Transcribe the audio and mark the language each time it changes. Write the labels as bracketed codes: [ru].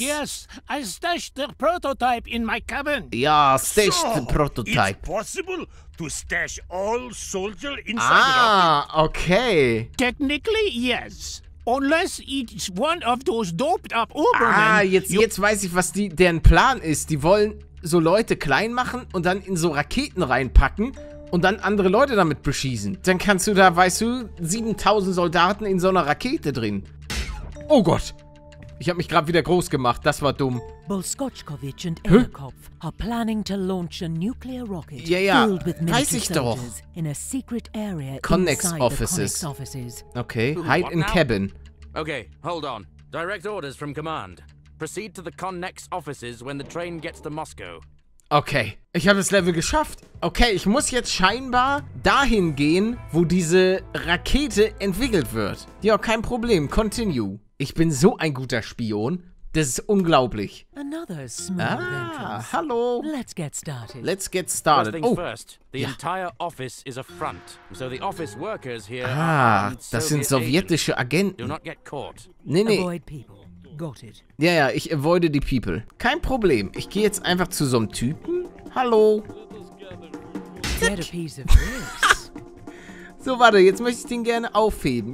[en] Yes, I stashed the prototype in my cabin. Ja, stashed the prototype. It's possible to stash all soldier inside the rocket. Ah, okay. Technically, yes. Unless it's one of those doped up Obermen. [de] Ah, jetzt weiß ich, was deren Plan ist. Die wollen so Leute klein machen und dann in so Raketen reinpacken. Und dann andere Leute damit beschießen. Dann kannst du da, weißt du, 7000 Soldaten in so einer Rakete drin. Oh Gott. Ich habe mich gerade wieder groß gemacht. Das war dumm. [en] Bolskotschkowitsch und Eierkopf are planning to launch a nuclear rocket filled with military offices. Okay, hide in cabin. Okay, hold on. Direct orders from command. Proceed to the Connex offices when the train gets to Moscow. [de] Okay, ich habe das Level geschafft. Okay, ich muss jetzt scheinbar dahin gehen, wo diese Rakete entwickelt wird. Ja, kein Problem. Continue. Ich bin so ein guter Spion. Das ist unglaublich. [en] Another smooth entrance. [de] Ah, hallo. [en] Let's get started. Let's get started. First things first, the entire office is a front. So the office workers here are Soviet agents. [de] Ah, das sind sowjetische Agenten. [en] Do not get caught. [de] Nee, nee. [en] Avoid people. Got it. [de] Ja, ja, ich avoide die People. Kein Problem. Ich gehe jetzt einfach zu so einem Typen. Hallo. [en] Get a piece of this. [de] So, warte, jetzt möchte ich den gerne aufheben.